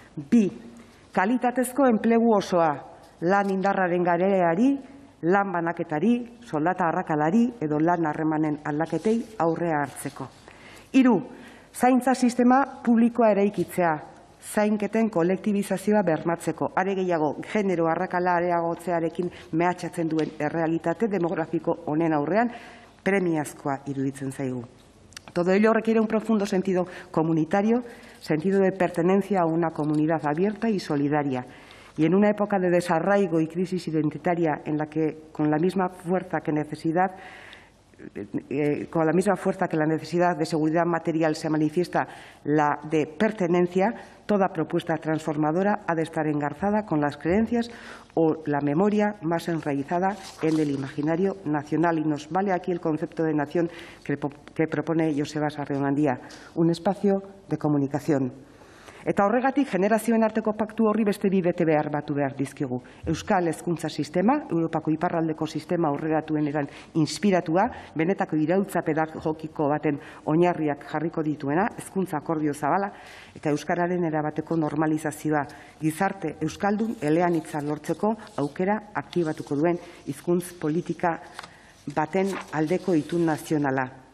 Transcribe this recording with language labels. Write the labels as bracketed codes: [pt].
[eu] Bi, kalitatezko enplegu osoa, lan indarraren gareari, lan banaketari, soldata arrakalari edo lan harremanen aldaketei aurrea hartzeko. Hiru, zaintza sistema publikoa eraikitzea, zainketen kolektibizazioa bermatzeko, are gehiago genero arrakala areagotzearekin mehatxatzen duen errealitate demografiko honen aurrean premiazkoa iruditzen zaigu. [es] Todo ello requiere un profundo sentido comunitario, sentido de pertenencia a una comunidad abierta y solidaria. Y en una época de desarraigo y crisis identitaria en la que, con la misma fuerza que necesidad, con la misma fuerza que la necesidad de seguridad material se manifiesta la de pertenencia, toda propuesta transformadora ha de estar engarzada con las creencias o la memoria más enraizada en el imaginario nacional. Y nos vale aquí el concepto de nación que propone Joseba Sarriamandia, un espacio de comunicación. [eu] Eta horregatik, generazioen arteko paktu horri beste bi bete behar batu behar dizkigu. Euskal hezkuntza sistema, Europako iparraldeko sistema aurreratuenetan inspiratua, benetako iraultza pedagogiko baten oinarriak jarriko dituena, hezkuntza akordio zabala, eta euskararen erabateko normalizazioa, gizarte euskaldun eleanitza lortzeko aukera aktibatuko duen hizkuntz politika baten aldeko itun nazionala.